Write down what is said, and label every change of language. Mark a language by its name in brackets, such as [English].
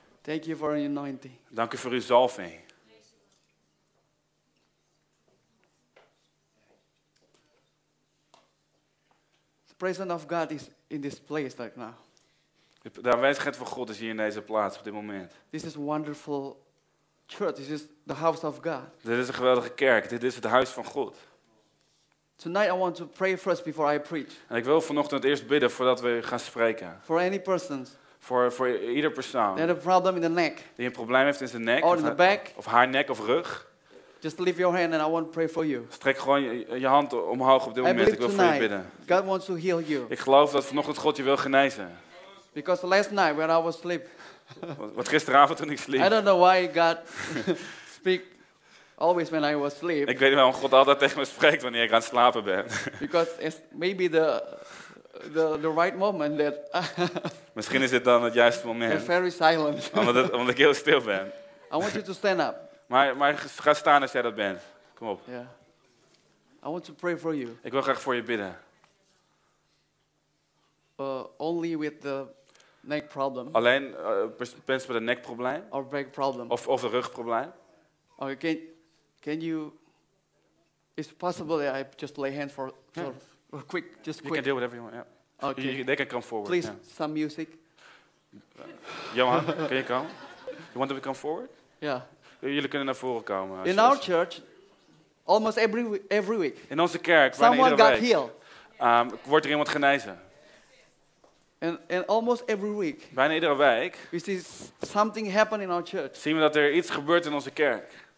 [English] Thank you for your anointing. [Dutch] Dank u voor uw zalving. [English] Presence of God is in this place right now. [Dutch] De aanwezigheid van God is hier in deze plaats op dit moment. [English] This is a wonderful church. This is the house of God. [Dutch] Dit is een geweldige kerk. Dit is het huis van God. [English] Tonight I want to pray first before I preach. [Dutch] En ik wil vanochtend eerst bidden voordat we gaan spreken. [English] For any persons. [Dutch] Voor ieder persoon. [English] That have a problem in the neck. [Dutch] Die een probleem heeft in zijn nek. [English] Or in the back. [Dutch] Of haar nek of rug. [English] Just lift your hand and I want to pray for you. [Dutch] Strek gewoon je hand omhoog op dit moment. Ik wil voor je bidden. [English] God wants to heal you. [Dutch] Ik geloof dat vanochtend God je wil genezen. [English] Because last night when I was asleep. [Dutch] Wat gisteravond toen ik sliep. [English] I don't know why God speak always when I was asleep. [Dutch] Ik weet niet waarom God altijd tegen me spreekt wanneer ik aan het slapen ben. [English] Because it's maybe the right moment that. [Dutch] Misschien is het dan het juiste moment. [English] It's very silent. [Dutch] Omdat ik heel stil ben. [English] I want you to stand up. [Dutch] Maar ga staan als jij dat bent. Kom op. [English] Yeah. I want to pray for you. [Dutch] Ik wil graag voor je bidden. [English] Only with the neck problem. [Dutch] Alleen mensen met een nekprobleem. [English] Or back problem. [Dutch] Of een rugprobleem. [English] Okay, can you? It's possible that I just lay hands for quick, just quick. You can do whatever you want. Yeah. Okay. They can come forward. Please, yeah. Some music. Johan, can you come? You want to come forward? Yeah. [Dutch] Jullie kunnen naar voren komen. [English] In our church, almost every week. [Dutch] In onze kerk, [English] someone got healed. [Dutch] Wordt er iemand genezen? [English] And almost every week. [Dutch] Bijna iedere week. [English] We see something happen in our church. [Dutch] Zien we dat er iets gebeurt in onze kerk?